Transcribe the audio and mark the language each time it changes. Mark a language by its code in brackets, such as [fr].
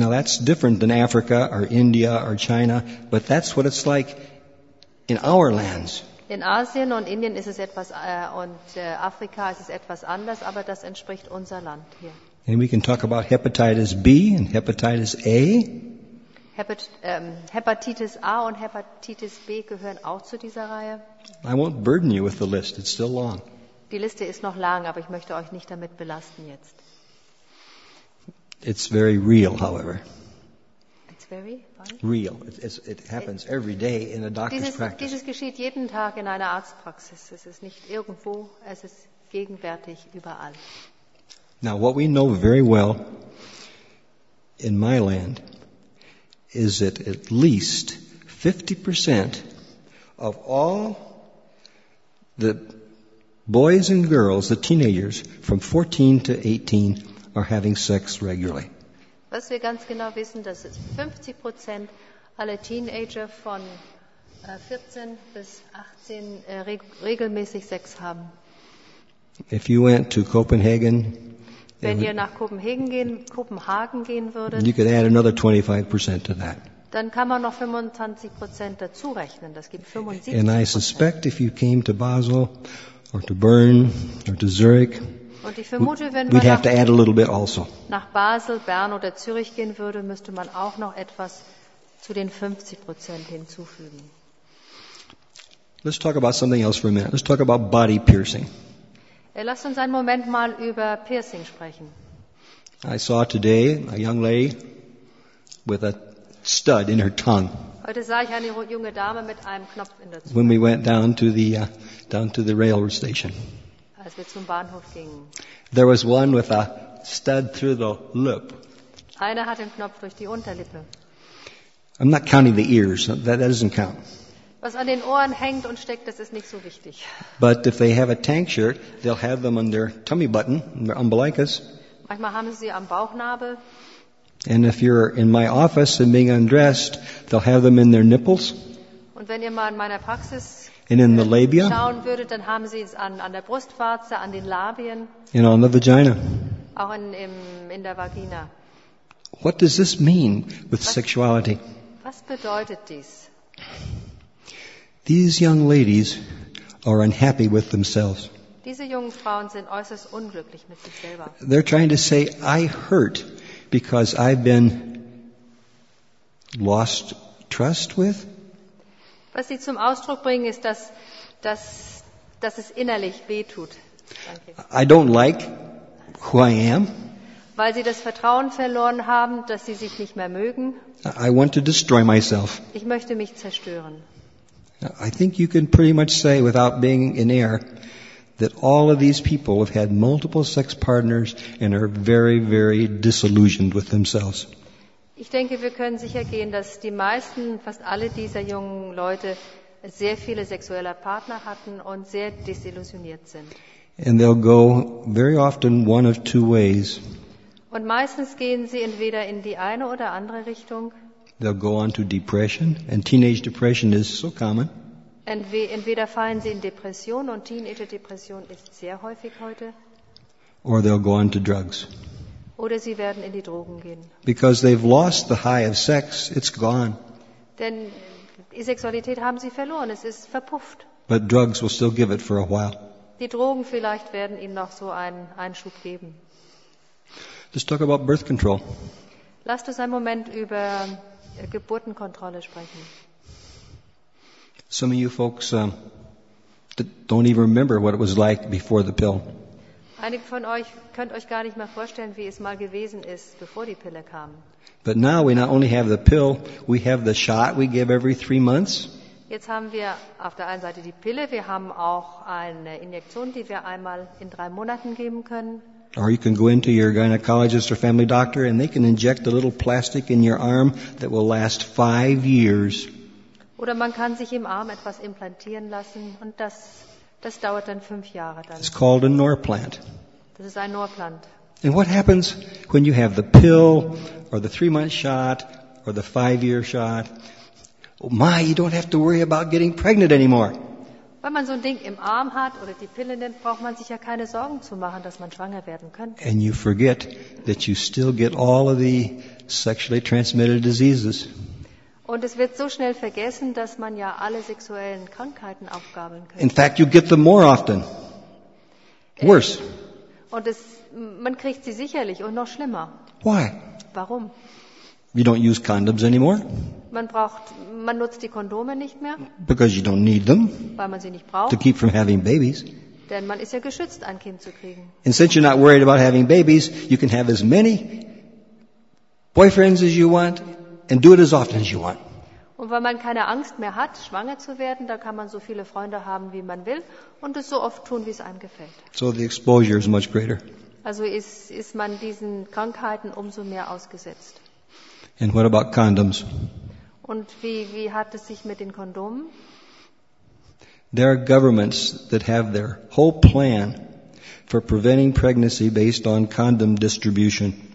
[en] Now that's different than Africa or India or China, but that's what it's like in our lands. [de] In Asien und Indien ist es etwas und Afrika ist es etwas anders, aber das entspricht unser Land hier. [en] And we can talk about hepatitis B and hepatitis A. [de] Hepatitis A und Hepatitis B gehören auch zu dieser Reihe. [en] I won't burden you with the list. It's still long. [de] Die Liste ist noch lang, aber ich möchte euch nicht damit belasten jetzt. [en] It's very real, however. It's very what? Real. It happens every day in a doctor's practice. [de] Dieses geschieht jeden Tag in einer Arztpraxis. Es ist nicht irgendwo, es ist gegenwärtig überall. [en] Now, what we know very well in my land is that at least 50% of all the boys and girls, the teenagers from 14 to 18 are having sex regularly. [de] Was wir ganz genau wissen, dass es 50% aller Teenager von 14 bis 18 regelmäßig Sex haben. [en] If you went to Copenhagen, [de] wenn ihr nach Kopenhagen gehen würdet, [en] you could add another 25% to that. [de] Dann kann man noch 25% dazu rechnen. Das gibt 75%. [en] And I suspect if you came to Basel or to Bern or to Zurich, [de] und ich vermute, wenn [en] we'd have to add a little bit also. [de] Nach Basel, Bern oder Zürich gehen würde, müsste man auch noch etwas zu den 50% hinzufügen. [en] Let's talk about something else for a minute. Let's talk about body piercing. [de] Lasst uns einen Moment mal über Piercing sprechen. [en] I saw today a young lady with a stud in her tongue. [de] Heute sah ich eine junge Dame mit einem Knopf in der Zunge. [en] When we went down to the railroad station. [de] Als wir zum Bahnhof gingen. [en] There was one with a stud through the lip. [de] Eine hatte einen Knopf durch die Unterlippe. [en] I'm not counting the ears. That doesn't count. [de] Was an den Ohren hängt und steckt, das ist nicht so wichtig. [en] But if they have a tank shirt, they'll have them on their tummy button, on their umbilicus. [de] Manchmal haben sie am Bauchnabel. [en] And if you're in my office and being undressed, they'll have them in their nipples. [de] Und wenn ihr mal in meiner Praxis [en] and in the labia, [de] schauen würdet, dann haben sie es an der Brustwarze, an den Labien. [en] And on the vagina. [de] Auch in der Vagina. [en] What does this mean with sexuality? [de] Was bedeutet dies? [en] These young ladies are unhappy with themselves. [de] Diese jungen Frauen sind äußerst unglücklich mit sich selber. [en] They're trying to say, I hurt because I've been lost trust with. [de] Was sie zum Ausdruck bringen, ist, dass es innerlich wehtut. Danke. [en] I don't like who I am. [de] Weil sie das Vertrauen verloren haben, dass sie sich nicht mehr mögen. [en] I want to destroy myself. [de] Ich möchte mich zerstören. [en] I think you can pretty much say without being in error that all of these people have had multiple sex partners and are very, very disillusioned with themselves. [de] Ich denke, wir können sicher gehen, dass die meisten, fast alle dieser jungen Leute sehr viele sexuelle Partner hatten und sehr desillusioniert sind. [en] And they'll go very often one of two ways. [de] Und meistens gehen sie entweder in die eine oder andere Richtung. [en] They'll go on to depression, and teenage depression is so common. [de] Entweder fallen sie in Depression, und Teenager-Depression ist sehr häufig heute. [en] Or they'll go on to drugs. [de] Oder sie werden in die Drogen gehen. [en] Because they've lost the high of sex, it's gone. [de] Denn die Sexualität haben sie verloren, es ist verpufft. [en] But drugs will still give it for a while. [de] Die Drogen vielleicht werden ihnen noch so einen Einschub geben. [en] Let's talk about birth control. [de] Lasst uns einen Moment über Geburtenkontrolle sprechen. [en] Some of you folks don't even remember what it was like before the pill. [de] Einige von euch könnt euch gar nicht mehr vorstellen, wie es mal gewesen ist, bevor die Pille kam. [en] But now we not only have the pill, we have the shot we give every 3 months. [de] Jetzt haben wir auf der einen Seite die Pille, wir haben auch eine Injektion, die wir einmal in 3 Monaten geben können. [en] Or you can go into your gynecologist or family doctor and they can inject a little plastic in your arm that will last 5 years. [de] Oder man kann sich im Arm etwas implantieren lassen und das dauert dann 5 Jahre dann. [en] It's called a Norplant. [de] Das ist ein Norplant. [en] And what happens when you have the pill or the 3 month shot or the 5 year shot? Oh my, you don't have to worry about getting pregnant anymore. [de] Wenn man so ein Ding im Arm hat oder die Pille nimmt, braucht man sich ja keine Sorgen zu machen, dass man schwanger werden könnte. [en] And you forget that you still get all of the sexually transmitted diseases. [de] Und es wird so schnell vergessen, dass man ja alle sexuellen Krankheiten aufgabeln kann. [en] In fact, you get them more often. Worse. [de] Und man kriegt sie sicherlich und noch schlimmer. [en] Why? [de] Warum? [en] You don't use condoms anymore. [de] Man nutzt die Kondome nicht mehr. [en] Because you don't need them. [de] Weil man sie nicht braucht. [en] To keep from having babies. [de] Denn man ist ja geschützt, ein Kind zu kriegen. [en] And since you're not worried about having babies, you can have as many boyfriends as you want and do it as often as you want. [de] Und weil man keine Angst mehr hat, schwanger zu werden, da kann man so viele Freunde haben, wie man will und es so oft tun, wie es einem gefällt. [en] So the exposure is much greater. [de] Also ist man diesen Krankheiten umso mehr ausgesetzt. [en] And what about condoms? [de] Und wie hat es sich mit den Kondomen? [en] There are governments that have their whole plan for preventing pregnancy based on condom distribution.